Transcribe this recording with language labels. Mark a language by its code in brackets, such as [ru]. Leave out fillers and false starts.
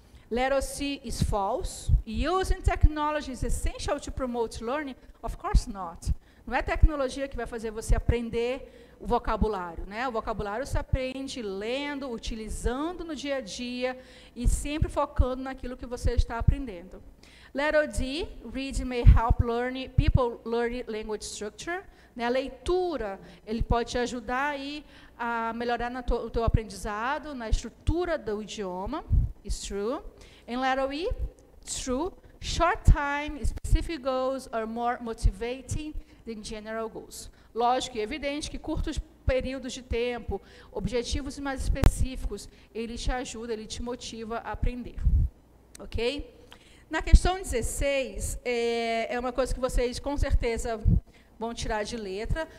[en] Letter C is false. Using technology is essential to promote learning? Of course not. [pt] Não é tecnologia que vai fazer você aprender o vocabulário, né? O vocabulário se aprende lendo, utilizando no dia a dia e sempre focando naquilo que você está aprendendo. [en] Letter D, reading may help learning, people learn language structure. [pt] Né? A leitura, ele pode te ajudar aí a melhorar o teu aprendizado, na estrutura do idioma. [en] It's true. And letter E, true. Short time, specific goals are more motivating than general goals. [pt] Lógico e evidente que curtos períodos de tempo, objetivos mais específicos, ele te ajuda, ele te motiva a aprender. Ok? Na questão 16, é uma coisa que vocês com certeza vão tirar de letra.